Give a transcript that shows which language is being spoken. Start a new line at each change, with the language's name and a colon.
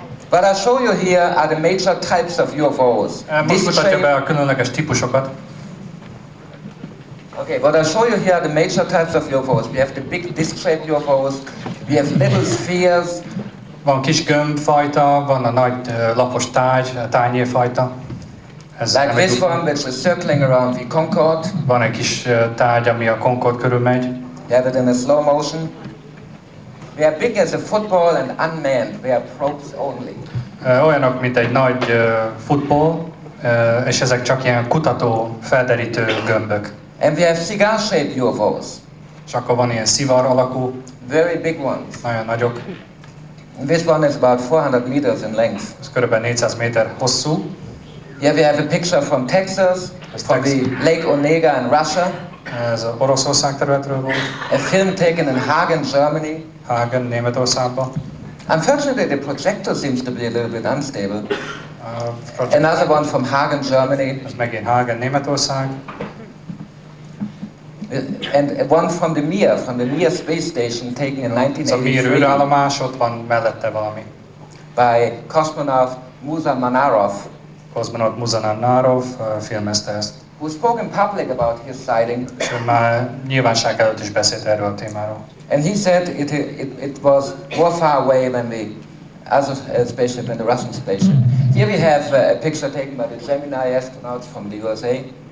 English: But I show you here are the major types of UFOs.
Hungarian: Most mutatja be a különleges típusokat.
English: Okay, but I show you here are the major types of UFOs. We have the big disc-shaped UFOs. We have little spheres.
Hungarian: Van kis gömbfajta, van a nagy lapos tárgy, tányérfajta. Ez
English: like this one, which is circling around the Concorde.
Hungarian: Van egy kis tárgy, ami a Concorde körül megy.
English: We have it in a slow motion. We are big as a football and unmanned. We are probes only.
Hungarian: Olyanok, mint egy nagy futball, és ezek csak ilyen kutató, felderítő gömbök.
English: And we have cigar-shaped UFOs.
Hungarian: És akkor van ilyen szivar alakú.
English: Very big ones.
Hungarian: Nagyon nagyok.
English: And this one is about 400 meters in length.
Hungarian: Ez körülbelül 400 méter hosszú.
English: Yeah, we have a picture from Texas, from the Lake Onega in Russia.
Hungarian: Ez az Oroszország területről volt.
English: A film taken in Hagen, Germany.
Hungarian: Hagen, Németországban.
English: Unfortunately, the projector seems to be a little bit unstable. Another one from Hagen, Germany.
Hungarian: Ez megint Hagen, Németország.
English: And one from the Mir space station, taken in 1983.
Hungarian: Ez a Mir űrállomás, ott van mellette valami.
English: By cosmonaut Muzamanarov.
Hungarian: Kozmonaut Muzamanarov filmezte ezt.
English: Who spoke in public about his sighting.
Hungarian: És ő már nyilvánosság előtt is beszélt erről a témáról.
English: And he said it was more far away than the other spaceship, than the Russian spaceship. Here we have a picture taken by the Gemini astronauts from the USA.